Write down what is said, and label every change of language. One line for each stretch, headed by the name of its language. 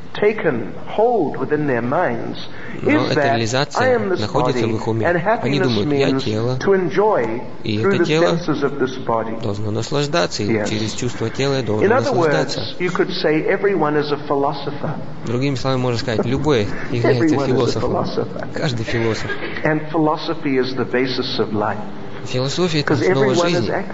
English: Taken hold within their minds is that I am this body, and happiness means to enjoy through the senses of this body.
Russian: Должно наслаждаться, через чувство тела я должен наслаждаться.
English: In other words, you could say everyone is a philosopher.
Russian: Другими словами, можно сказать, любой является философом. Каждый философ.
English: And philosophy is the basis of life.
Russian: Философия – это основа жизни.